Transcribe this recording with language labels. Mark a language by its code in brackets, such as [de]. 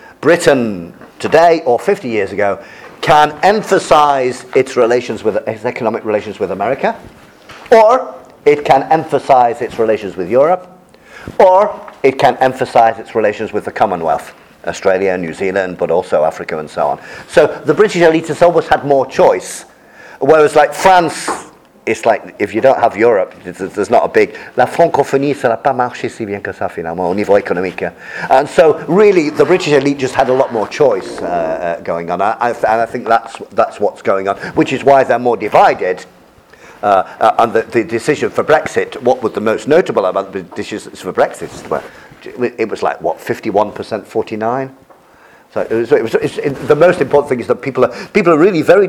[en] Britain today, or 50 years ago, can emphasize its economic relations with America, or it can emphasize its relations with Europe, or it can emphasize its relations with the Commonwealth, Australia, New Zealand, but also Africa and so on. So the British elite has always had more choice, whereas like France, it's like, if you don't have Europe, there's not a big... [fr] La francophonie, ça n'a pas marché si bien que ça, finalement, au niveau économique. [en] And so, really, the British elite just had a lot more choice going on. I think that's what's going on, which is why they're more divided. And the decision for Brexit, what was the most notable about the decisions for Brexit? It was like, what, 51%, 49%? So the most important thing is that people are really very...